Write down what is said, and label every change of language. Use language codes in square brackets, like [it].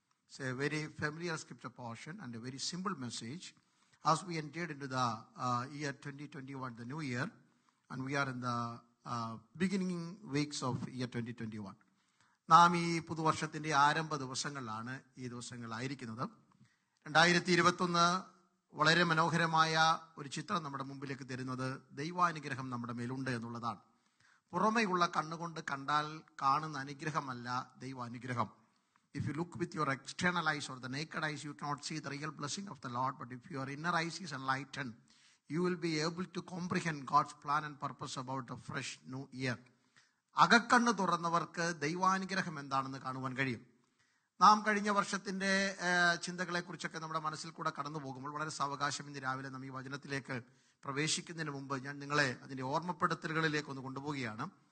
[en] It's a very familiar scripture portion and a very simple message as we entered into the year 2021, the new year, and we are in the beginning weeks of year 2021. [ml] നാം ഈ പുതുവർഷത്തിന്റെ ആരംഭ ദിവസങ്ങളിലാണ് ഈ ദിവസങ്ങളായിരിക്കുന്നത്. 2021 വളരെ മനോഹരമായ ഒരു ചിത്രം നമ്മുടെ മുമ്പിലേക്ക് തരുന്നത് ദൈവാനുഗ്രഹം നമ്മുടെ മേലുണ്ട് എന്നുള്ളതാണ്. പുറമെയുള്ള കണ്ണുകൊണ്ട് കണ്ടാൽ കാണുന്ന അനുഗ്രഹമല്ല ദൈവാനുഗ്രഹം. [en] If you look with your external eyes or the naked eyes, you cannot see the real blessing of the Lord. But if your inner eyes is enlightened, you will be able to comprehend God's plan and purpose about a fresh new year. [ml] അകക്കണ്ണ് തുറന്നവർക്ക് ദൈവാനുഗ്രഹം എന്താണെന്ന് കാണുവാൻ കഴിയും. നാം കഴിഞ്ഞ വർഷത്തിന്റെ ചിന്തകളെ കുറിച്ചൊക്കെ നമ്മുടെ മനസ്സിൽ കൂടെ കടന്നു പോകുമ്പോൾ വളരെ സാവകാശം ഇന്ന് രാവിലെ നാം ഈ വചനത്തിലേക്ക് പ്രവേശിക്കുന്നതിന് മുമ്പ് ഞാൻ നിങ്ങളെ അതിന്റെ ഓർമ്മപ്പെടുത്തലുകളിലേക്ക് ഒന്ന് കൊണ്ടുപോവുകയാണ്.